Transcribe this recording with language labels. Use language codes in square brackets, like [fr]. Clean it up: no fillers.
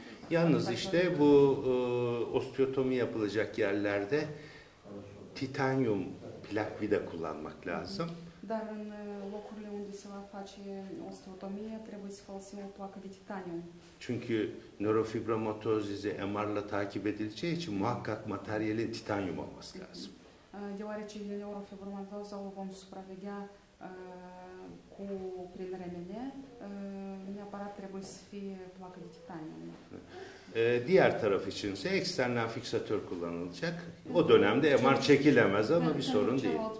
[tr] Yalnız işte bu osteotomi yapılacak yerlerde titanyum plak vida kullanmak lazım. [ro] Dar în locurile unde se va face osteotomie trebuie să folosim o placă de titanium. [tr] Çünkü neurofibromatozizi MR'la takip edileceği için muhakkak materyalin titanium olması lazım. [ro] Deoarece neurofibromatoza o vom supraveghea cu prin remene, neapărat trebuie să fie placă de titanium. [tr] Diğer taraf içinse eksternal fiksatör kullanılacak. O dönemde MR çekilemez ama bir sorun değil.